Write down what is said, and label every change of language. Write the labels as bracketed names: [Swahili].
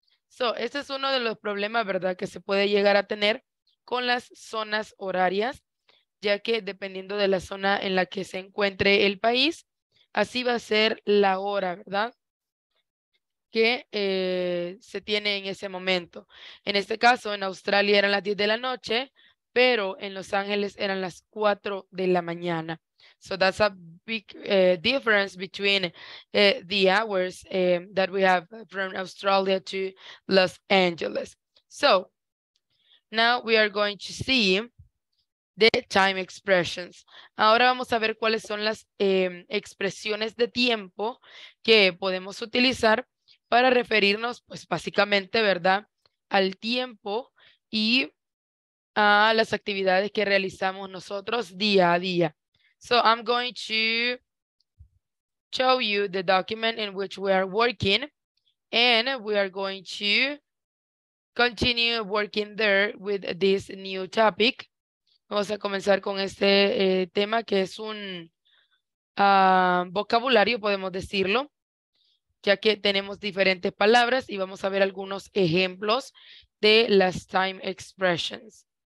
[Spanish] So, este es uno de los problemas, ¿verdad?, que se puede llegar a tener con las zonas horarias, ya que dependiendo de la zona en la que se encuentre el país, así va a ser la hora, ¿verdad?, que se tiene en ese momento. En este caso, en Australia eran las 10 de la noche, pero en Los Ángeles eran las 4 de la mañana. [English] So that's a big difference between the hours that we have from Australia to Los Angeles. So now we are going to see the time expressions. [Spanish] Ahora vamos a ver cuáles son las expresiones de tiempo que podemos utilizar para referirnos, pues básicamente, ¿verdad?, al tiempo y a las actividades que realizamos nosotros día a día. [English] So I'm going to show you the document in which we are working and we are going to continue working there with this new topic. [Spanish] Vamos a comenzar con este tema que es un vocabulario, podemos decirlo, ya que tenemos diferentes palabras y vamos a ver algunos ejemplos de las [English] time expressions.